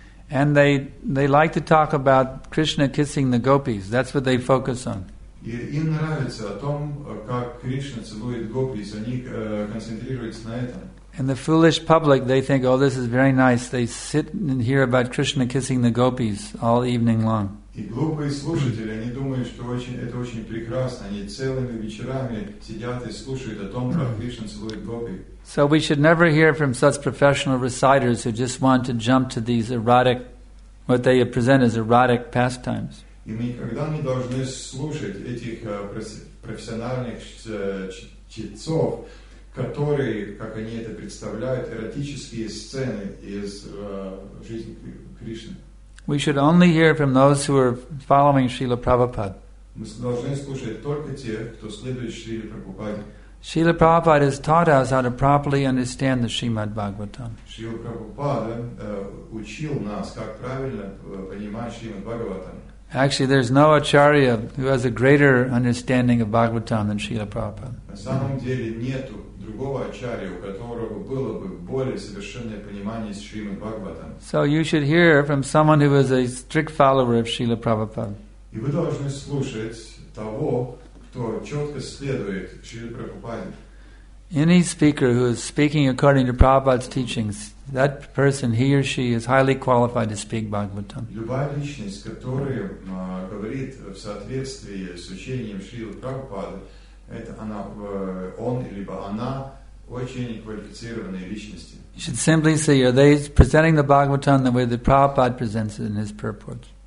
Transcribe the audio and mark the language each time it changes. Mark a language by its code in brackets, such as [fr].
[en] And they like to talk about Krishna kissing the gopis. That's what they focus on. [ru] И им нравится о том, как Кришна целует гопис, они концентрируются на этом. [en] And the foolish public, they think, oh, this is very nice. They sit and hear about Krishna kissing the gopis all evening long. [ru] И глупые слушатели, они думают, что это очень прекрасно. Они целыми вечерами сидят и слушают о том, как Кришна целует гопи. [en] So we should never hear from such professional reciters who just want to jump to these erotic, what they present as erotic pastimes. [ru] И мы никогда не должны слушать этих профессиональных чтецов, которые, как они это представляют, эротические сцены из жизни Кришны. [en] We should only hear from those who are following Srila Prabhupada. [ru] Мы должны слушать только тех, кто следует Шриле Прабхупаде. [en] Srila Prabhupada has taught us how to properly understand the Srimad Bhagavatam. [ru] Srila Prabhupada учил нас, как правильно понимать Srimad Bhagavatam. [en] Actually, there's no acharya who has a greater understanding of Bhagavatam than Srila Prabhupada. [ru] На самом деле нету другого ачарьи, у которого было бы более совершенное понимание Шримад Бхагаватам. [en] So you should hear from someone who is a strict follower of Srila Prabhupada. [ru] И вы должны слушать того, кто четко следует Шриле Прабхупаде. [en] Any speaker who is speaking according to Prabhupada's teachings, that person, he or she, is highly qualified to speak Bhagavatam. [ru] Любая личность, которая говорит в соответствии с учением Шрилы Прабхупады, это она, он либо она, очень квалифицированные личности. [en] You should simply say, are they presenting the Bhagavatam the way that Prabhupada presents it in his purport?